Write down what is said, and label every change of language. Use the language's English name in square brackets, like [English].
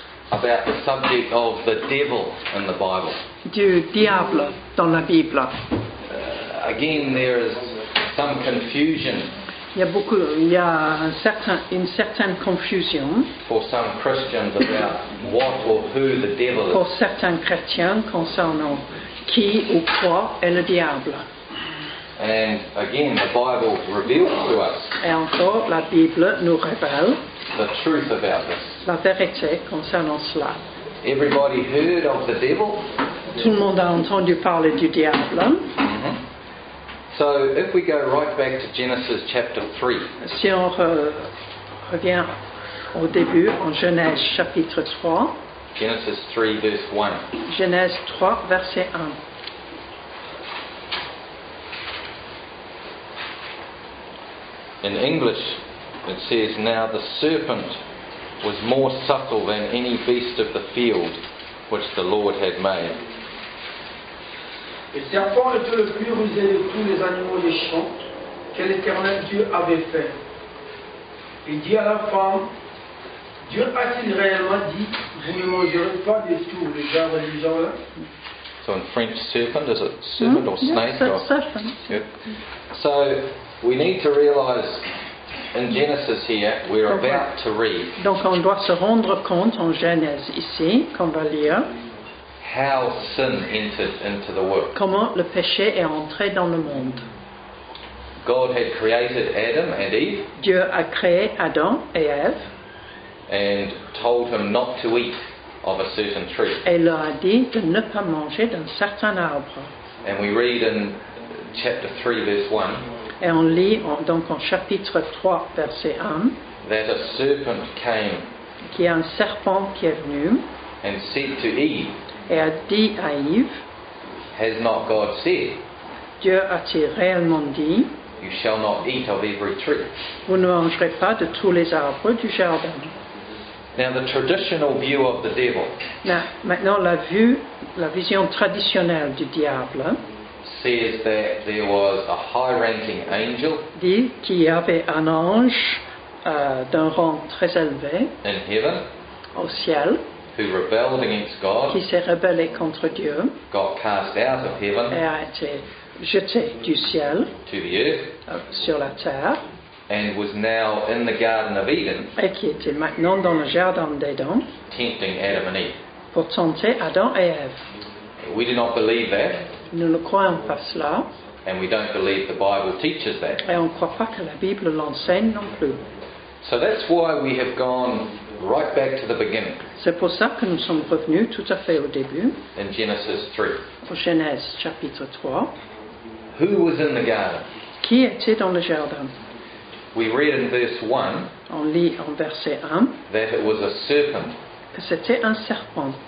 [English] about the subject of the devil in the Bible. [French] Du diable dans la Bible. [English] Again, there is some confusion. [French] Il y a une certaine confusion [English] for some Christians about what or who the devil is. [French] Pour certains chrétiens concernant qui ou quoi est le diable. [English] And again, the Bible reveals to us. [French] Et encore, la Bible nous révèle [English] the truth about this. [French] La vérité concernant cela. [English] Everybody heard of the devil? [French] Tout le monde a entendu parler du diable. [English] So if we go right back to Genesis chapter 3. [French] Si on revient au début, en Genèse chapitre 3. [English] Genesis 3 verse 1. [French] Genèse 3 verset 1. [English] In English, it says, "Now the serpent was more subtle than any beast of the field which the Lord had made." [French] Le serpent était le plus rusé de tous les animaux des champs que l'Éternel Dieu avait fait. Il dit à la femme, Dieu a-t-il réellement dit, vous ne mangerez pas de tout le genre du genre? [English] So in French, serpent, is it serpent or snake? Yes, it's serpent. So we need to realize in Genesis here, we're about to read. [French] Donc on doit se rendre compte en Genèse ici, qu'on va lire. [English] How sin entered into the world. [French] Comment le péché est entré dans le monde. [English] God had created Adam and Eve. [French] Dieu a créé Adam et Ève. [English] And told him not to eat of a certain tree. [French] Et leur a dit de ne pas manger d'un certain arbre. [English] And we read in chapter 3 verse 1. [French] Et on lit donc en chapitre 3 verset 1. [English] That a serpent came. [French] Qu'il y a un serpent qui est venu. [English] And said to Eve. [French] Et a dit à Eve, [English] has not God said, [French] Dieu a-t-il réellement dit, [English] you shall not eat of every tree. [French] Vous ne mangerez pas de tous les arbres du jardin. [English] Now the traditional view of the devil. [French] Now, maintenant la vision traditionnelle du diable. [English] Says that there was a high-ranking angel. [French] Dit qu'il y avait un ange d'un rang très élevé. [English] In heaven. [French] Au ciel. [English] Who rebelled against God, [French] qui s'est rebellé contre Dieu, [English] got cast out of heaven, [French] et a été jeté du ciel, [English] to the earth, [French] sur la terre, [English] and was now in the Garden of Eden, [French] et qui était maintenant dans le Jardin d'Eden, [English] tempting Adam and Eve, [French] pour tenter Adam et Ève. [English] We do not believe that, [French] nous ne croyons pas cela, [English] and we don't believe the Bible teaches that, [French] et on ne croit pas que la Bible l'enseigne non plus. [English] So that's why we have gone right back to the beginning. [French] C'est pour ça que nous sommes revenus tout à fait au début. [English] In Genesis 3. [French] Au Genèse chapitre 3. [English] Who was in the garden? [French] Qui était dans le jardin? [English] We read in verse 1. [French] On lit en verset 1. [English] That it was a serpent. [French] Que c'était un serpent.